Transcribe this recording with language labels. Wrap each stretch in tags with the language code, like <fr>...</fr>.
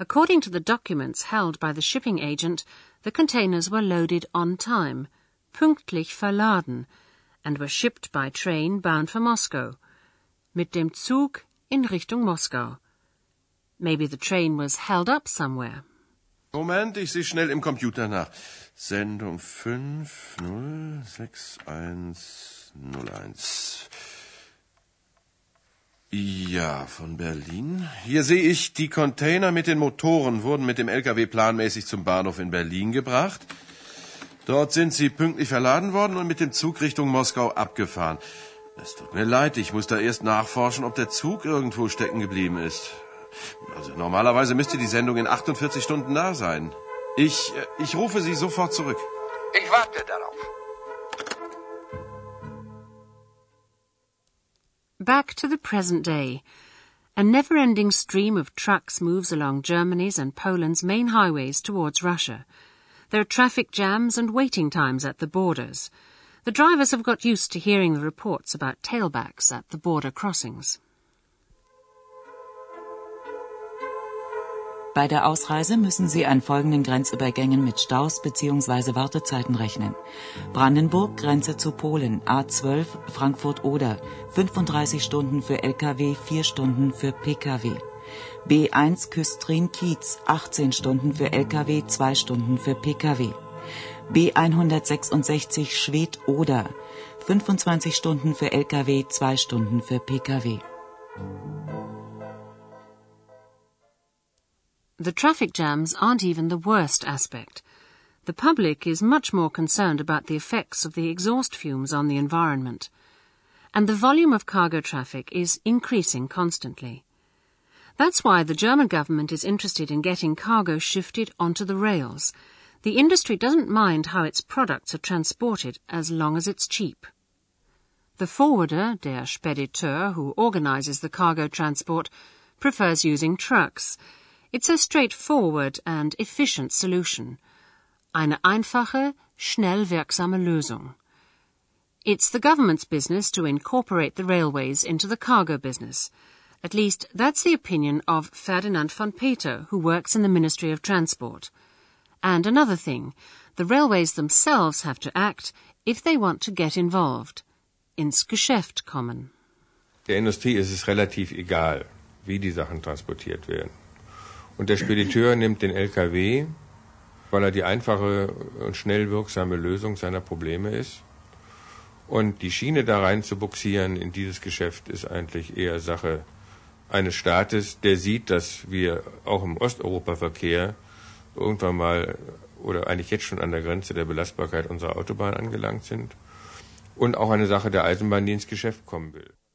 <en>According to the documents held by the shipping agent, the containers were loaded on time,</en> <de>pünktlich verladen,</de> <en>and were shipped by train bound for Moscow,</en> <de>mit dem Zug in Richtung Moskau.</de> <en>Maybe the train was held up somewhere.</en> <de>Moment, ich sehe schnell im Computer nach. Sendung 506101. Ja, von Berlin. Hier sehe ich, die Container mit den Motoren wurden mit dem LKW planmäßig zum Bahnhof in Berlin gebracht. Dort sind sie pünktlich verladen worden und mit dem Zug Richtung Moskau abgefahren. Es tut mir leid, ich muss da erst nachforschen, ob der Zug irgendwo stecken geblieben ist. Also normalerweise müsste die Sendung in 48 Stunden da sein. Ich rufe Sie sofort zurück. Ich warte darauf.</de> <en>Back to the present day. A never-ending stream of trucks moves along Germany's and Poland's main highways towards Russia. There are traffic jams and waiting times at the borders. The drivers have got used to hearing the reports about tailbacks at the border crossings.</en> <de>Bei der Ausreise müssen Sie an folgenden Grenzübergängen mit Staus bzw. Wartezeiten rechnen. Brandenburg, Grenze zu Polen, A12, Frankfurt-Oder, 35 Stunden für LKW, 4 Stunden für PKW. B1, Küstrin-Kiez, 18 Stunden für LKW, 2 Stunden für PKW. B166, Schwedt-Oder, 25 Stunden für LKW, 2 Stunden für PKW.</de> <en>The traffic jams aren't even the worst aspect. The public is much more concerned about the effects of the exhaust fumes on the environment. And the volume of cargo traffic is increasing constantly. That's why the German government is interested in getting cargo shifted onto the rails. The industry doesn't mind how its products are transported as long as it's cheap. The forwarder, der Spediteur, who organizes the cargo transport, prefers using trucks. It's a straightforward and efficient solution.</en> <de>Eine einfache, schnell wirksame Lösung.</de> <en>It's the government's business to incorporate the railways into the cargo business. At least, that's the opinion of Ferdinand von Peter, who works in the Ministry of Transport. And another thing, The railways themselves have to act if they want to get involved.</en> <de>Ins Geschäft kommen. Der Industrie ist es relativ egal, wie die Sachen transportiert werden. Und der Spediteur nimmt den LKW, weil er die einfache und schnell wirksame Lösung seiner Probleme ist. Und die Schiene da rein zu buxieren in dieses Geschäft ist eigentlich eher Sache eines Staates, der sieht, dass wir auch im Osteuropa-Verkehr irgendwann mal oder eigentlich jetzt schon an der Grenze der Belastbarkeit unserer Autobahn angelangt sind und auch eine Sache der Eisenbahn, die ins Geschäft kommen will.</de>